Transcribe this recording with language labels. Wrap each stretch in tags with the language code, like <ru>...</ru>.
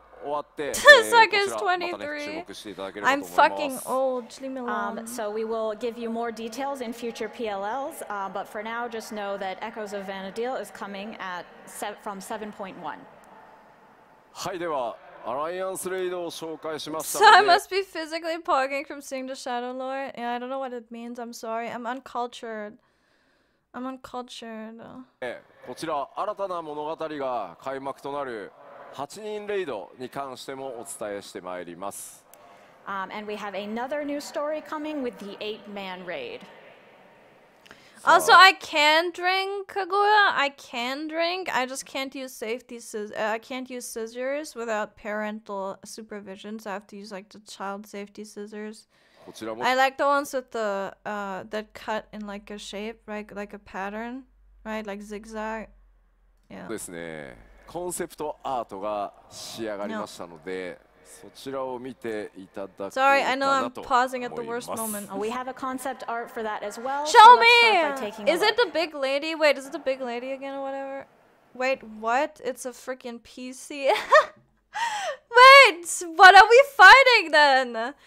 <ja>パチ7.0終わって、こちらまたね、注目していただければと思います。</ja> <en>I'm fucking old. Leave me alone. So we will give you more details in future PLLs, but for now, just know that Echoes of Vanadil is coming at from 7.1.</en> <ja>はい、ではアライアンスレイドを紹介しました。</ja> <en>So I must be physically pogging from seeing the Shadow Lord. Yeah, I don't know what it means. I'm sorry. I'm uncultured. I'm uncultured.</en> <ja>こちら新たな物語が開幕となる8人レイドに関してもお伝えしてまいります。</ja> <en>And we have another new story coming with the 8-man raid. Also, I can drink, Kaguya. I can drink. I just can't use safety scissors without parental supervision. So I have to use like the child safety scissors. I like the ones with the that cut in like a shape, right? Like a pattern, right? Like zigzag. Yeah.</en> <ja>ですね。コンセプトアートが仕上がりましたので。</ja> <en>Sorry, I know I'm pausing at the worst moment. We have a concept art for that as well. Show so me! Is it the big lady? Wait, is it the big lady again or whatever? Wait, what? It's a freaking PC. Wait, what are we fighting then?</en>